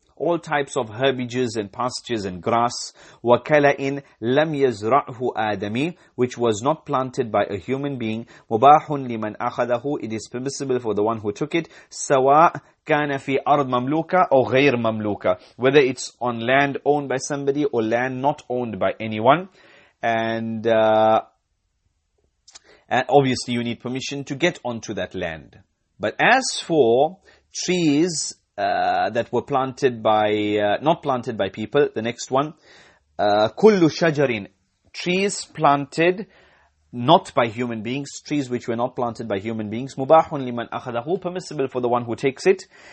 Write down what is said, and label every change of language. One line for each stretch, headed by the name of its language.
English: All types of herbages and pastures and grass.
Arabic: وكلئن لم يزرعه آدمي.
English: Which was not planted by a human being.
Arabic: مباح لمن أخذه.
English: It is permissible for the one who took it.
Arabic: سواء كان في أرض مملوكة أو غير مملوكة.
English: Whether it's on land owned by somebody or land not owned by anyone. And obviously you need permission to get onto that land. But as for trees that were planted by, not planted by people, the next one,
Arabic: كل شجرين,
English: trees planted not by human beings, trees which were not planted by human beings,
Arabic: مباح لمن أخذه,
English: permissible for the one who takes it.